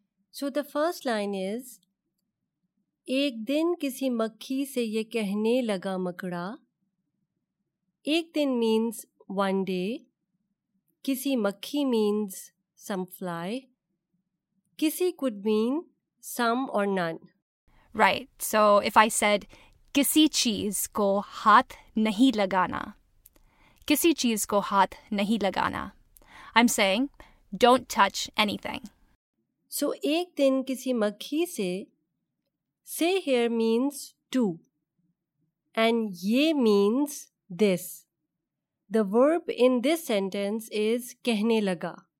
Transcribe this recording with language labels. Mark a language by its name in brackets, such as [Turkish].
[English] So the first line is, [Urdu] ek din kisi makhi se ye kehne laga makra. Ek din [English] means one day. [Urdu] Kisi makhi [English] means some fly. Kisi could mean some or none. Right. So if I said, [Urdu] کسی چیز کو ہاتھ نہیں لگانا۔ کسی چیز کو ہاتھ نہیں لگانا۔ [English] I'm saying, don't touch anything. So, [Urdu] ek din kisi makhi se, [English] say here means to. And ye means this. The verb in this sentence is [Urdu] kehne laga.